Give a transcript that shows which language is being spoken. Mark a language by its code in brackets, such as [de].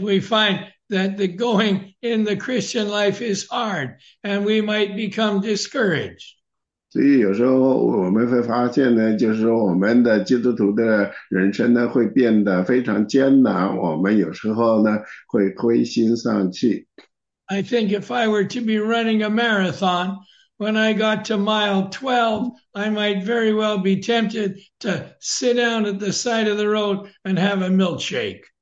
[en] we find that the going in the Christian life is hard, and we might become discouraged. [zh] 所以有时候我们会发现呢，就是说我们的基督徒的人生呢会变得非常艰难，我们有时候呢会灰心丧气。 [en] I think if I were to be running a marathon, when I got to mile 12, I might very well be tempted to sit down at the side of the road and have a milkshake.